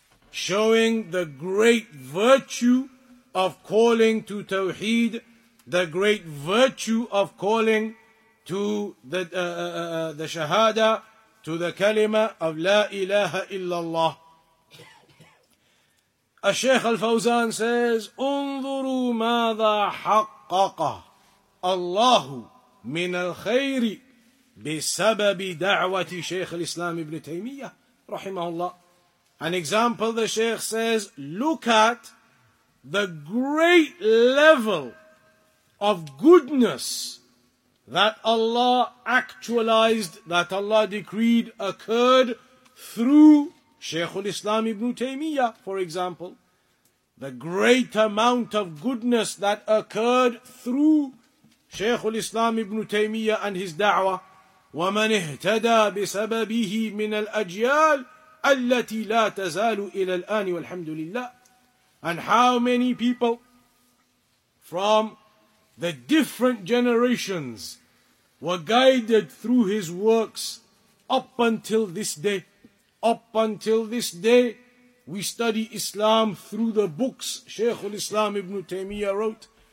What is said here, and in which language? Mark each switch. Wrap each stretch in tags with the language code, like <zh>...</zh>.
<en>Showing the great virtue of calling to Tawheed, the great virtue of calling to the Shahada, to the Kalima of La ilaha illallah.</en> <ar>Al-Shaykh Al-Fawzan says, انظروا ماذا حقق الله من الخير بسبب دعوة شيخ الإسلام ابن تيمية رحمه الله.</ar> <en>An example, the Shaykh says, look at the great level of goodness that Allah actualized, that Allah decreed occurred through Shaykhul Islam ibn Taymiyyah, for example. The great amount of goodness that occurred through Shaykhul Islam ibn Taymiyyah and his da'wah.</en> <ar>وَمَنْ اِهْتَدَى بِسَبَبِهِ مِنَ الْأَجْيَالِ التي لا تزال إلى الآن والحمد لله.</ar> <en>And how many people from the different generations were guided through his works up until this day? Up until this day, we study Islam through the books Shaykh al-Islam ibn Taymiyyah wrote.</en>